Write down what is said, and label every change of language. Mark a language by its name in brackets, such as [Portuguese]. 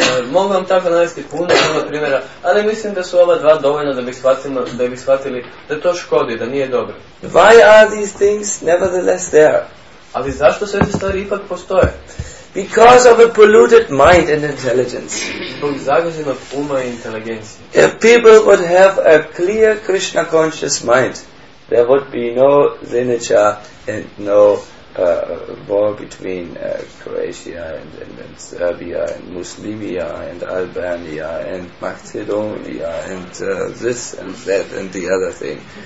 [Croatian] Mogu vam tako navesti puno primjera, ali mislim da su ova dva dovoljna da bi shvatili da to škodi, da nije dobro. [English] Why are these things nevertheless there? [Croatian] Ali zašto sve te stvari ipak postoje? [English] Because of a polluted mind and intelligence. [Croatian] Zbog zagađenog uma i inteligencije. [English] If people would have a clear Krishna conscious mind, there would be no zinicha and no war between Croatia and Serbia and Muslimia and Albania and Macedonia and this and that and the other thing.